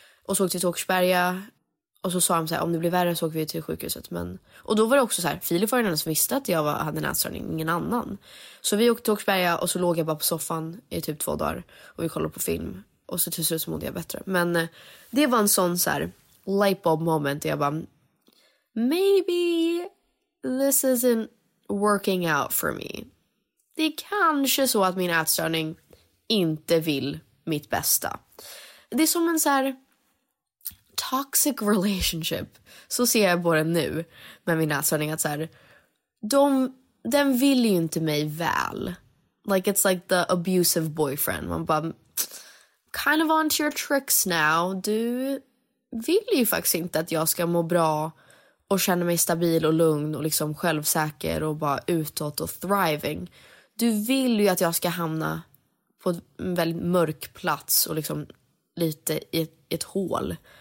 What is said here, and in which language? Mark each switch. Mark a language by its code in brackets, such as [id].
[sv] Och så åkte vi till Åkersberga. Och så sa han så här, om det blir värre så åker vi till sjukhuset. Men... Och då var det också så här, Filip var den som visste att jag hade nätstörning, ingen annan. Så vi åkte till Åkersberga och så låg jag bara på soffan i typ 2 dagar. Och vi kollade på film. Och så till slut så mådde jag bättre. Men det var en sån så här [en] lightbulb moment. [sv] Jag bara, [en] maybe this isn't working out for me. [sv] Det är kanske så att min ätstörning inte vill mitt bästa. Det är som en så här [en] toxic relationship. [sv] Så ser jag både nu med min ätstörning att så här, den vill ju inte mig väl. [en] Like it's like the abusive boyfriend. [sv] Man bara, [en] kind of onto your tricks now. [sv] Du vill ju faktiskt inte att jag ska må bra och känna mig stabil och lugn och liksom självsäker och bara utåt och thriving. Du vill ju att jag ska hamna på en väldigt mörk plats och liksom lite i ett hål.